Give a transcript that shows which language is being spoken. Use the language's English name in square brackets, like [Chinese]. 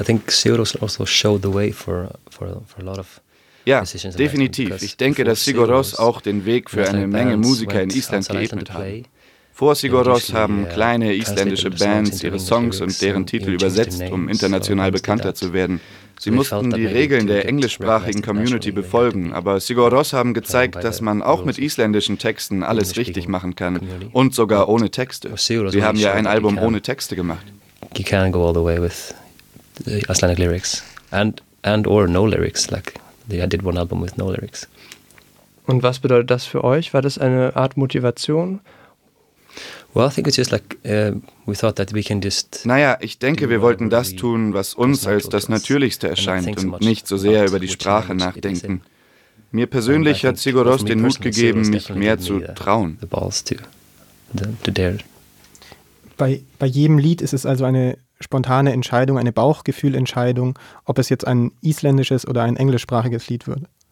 [English] I think Sigurd also showed the way for a lot of [German] ja, definitiv. Ich denke, dass Sigur Rós auch den Weg für eine Menge Musiker in Island geebnet hat. Vor Sigur Rós haben kleine isländische Bands ihre Songs und deren Titel übersetzt, um international bekannter zu werden. Sie mussten die Regeln der englischsprachigen Community befolgen, aber Sigur Rós haben gezeigt, dass man auch mit isländischen Texten alles richtig machen kann und sogar ohne Texte. Sie haben ja ein Album ohne Texte gemacht. [English] You can go all the way with the Icelandic lyrics and or no lyrics, like I did one album with no lyrics. [German] Und was bedeutet das für euch? War das eine Art Motivation? [English] Well, I think it's just like we thought that we can just. [German] Naja, ich denke, wir wollten das tun, was uns als das Natürlichste erscheint und nicht so sehr über die Sprache nachdenken. Mir persönlich hat Sigur Rós den Mut gegeben, mich mehr zu trauen. [English] The balls to dare. [German] Bei jedem Lied ist es also eine spontane Entscheidung, eine Bauchgefühlentscheidung, ob es jetzt ein isländisches oder ein englischsprachiges Lied wird.